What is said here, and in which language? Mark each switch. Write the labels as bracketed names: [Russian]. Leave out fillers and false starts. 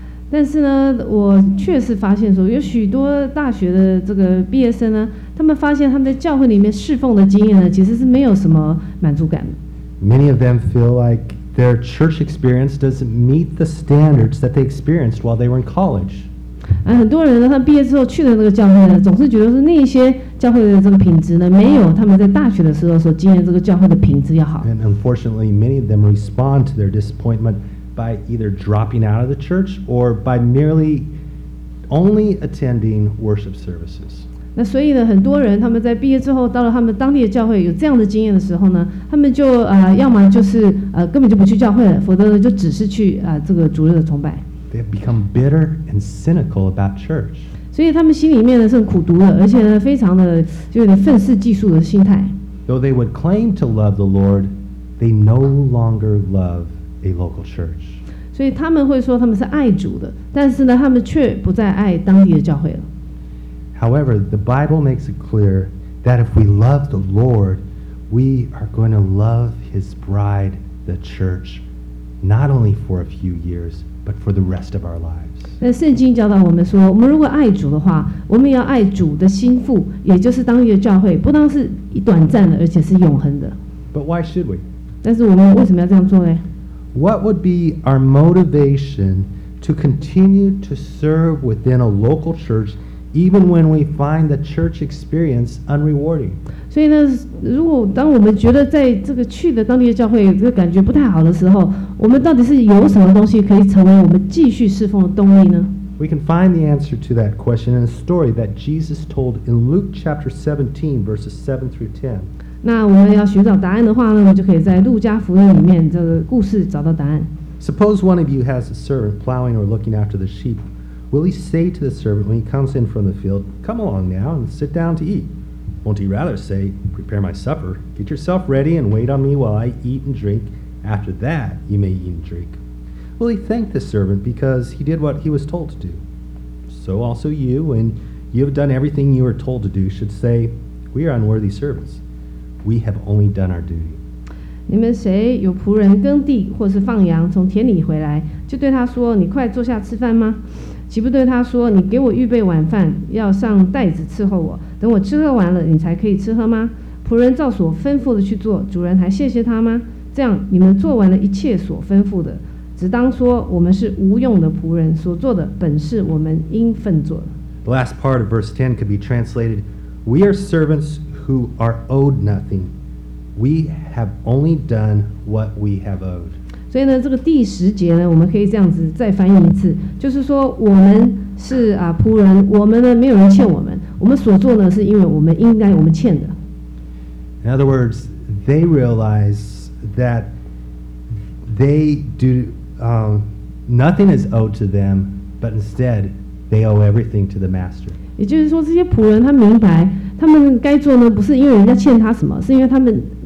[Chinese] 但是呢，我确实发现说，有许多大学的这个毕业生呢，他们发现他们在教会里面侍奉的经验呢，其实是没有什么满足感的。 [English] Many of them feel like. Their church experience doesn't meet the standards that they experienced while they were in college. [Chinese] 很多人呢，他毕业之后去了那个教会呢，总是觉得是那些教会的这个品质呢，没有他们在大学的时候所经验这个教会的品质要好。 [English] And unfortunately, many of them respond to their disappointment by either dropping out of the church or by merely only attending worship services. [Chinese] 那所以呢，很多人他们在毕业之后到了他们当地的教会有这样的经验的时候呢，他们就要么就是根本就不去教会了，否则呢就只是去这个主日的崇拜。 [English] They have become bitter and cynical about church. [Chinese] 所以他们心里面呢是很苦毒的，而且呢非常的就有点愤世嫉俗的心态。 [English] Though they would claim to love the Lord, they no longer love a local church. [Chinese] 所以他们会说他们是爱主的，但是呢他们却不再爱当地的教会了。 [English] However, the Bible makes it clear that if we love the Lord, we are going to love His bride, the church, not only for a few years, but for the rest of our lives. [Chinese] 那圣经教导我们说，我们如果爱主的话，我们要爱主的心腹，也就是当地的教会，不单是短暂的，而且是永恒的。 [English] But why should we? [Chinese] 但是我们为什么要这样做呢？ [English] What would be our motivation to continue to serve within a local church? Even when we find the church experience unrewarding. [Chinese] 所以呢，如果当我们觉得在这个去的当地的教会这个感觉不太好的时候，我们到底是有什么东西可以成为我们继续侍奉的动力呢？ [English] We can find the answer to that question in a story that Jesus told in Luke chapter 17, verses 7 through 10. [Chinese] 那我们要寻找答案的话呢，我们就可以在路加福音里面这个故事找到答案。 [English] Suppose one of you has a servant plowing or looking after the sheep. Will he say to the servant when he comes in from the field, Come along now and sit down to eat? Won't he rather say, Prepare my supper, get yourself ready and wait on me while I eat and drink? After that, you may eat and drink. Will he thank the servant because he did what he was told to do? So also you, when you have done everything you were told to do, should say, We are unworthy servants. We have only done our duty. [Chinese] 你们谁有仆人耕地或是放羊从田里回来就对他说你快坐下吃饭吗岂不对他说你给我预备晚饭要上袋子伺候我等我吃喝完了你才可以吃喝吗仆人照所吩咐的去做主人还谢谢他吗这样你们做完了一切所吩咐的只当说我们是无用的仆人所做的本是我们应分做的 [English] The last part of verse 10 could be translated We are servants who are owed nothingWe have only done what we have owed. [Chinese] 所以呢，这个第十节呢，我们可以这样子再翻译一次，就是说我们是仆人，我们呢没有人欠我们，我们所做呢是因为我们应该我们欠的。 [English] In other words, they realize that they do nothing is owed to them, but instead they owe everything to the master. [Chinese] 也就是说，这些仆人他明白，他们该做呢不是因为人家欠他什么，是因为他们。